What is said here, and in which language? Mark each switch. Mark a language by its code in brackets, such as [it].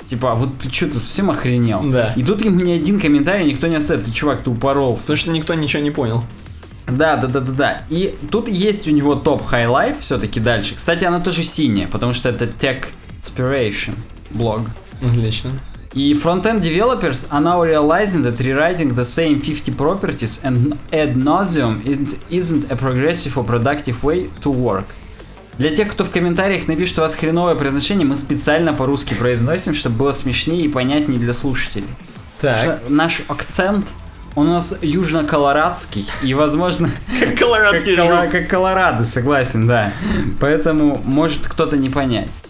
[ru] Типа, вот ты что, ты совсем охренел? Да. И тут ему ни один комментарий никто не оставит. Ты, чувак, ты упоролся. Потому что никто ничего не понял. Да. И тут есть у него топ-хайлайт все-таки дальше. Кстати, она тоже синяя, потому что это Techspiration блог. Отлично. [en] И front-end developers are now realizing that rewriting the same 50 properties and ad nauseum isn't a progressive or productive way to work. [ru] Для тех, кто в комментариях напишет, у вас хреновое произношение, мы специально по-русски произносим, чтобы было смешнее и понятнее для слушателей. Так. Наш акцент, он у нас южно-колорадский, и, возможно... Колорадский жук. Как Колорадо, согласен, да. Поэтому может кто-то не понять.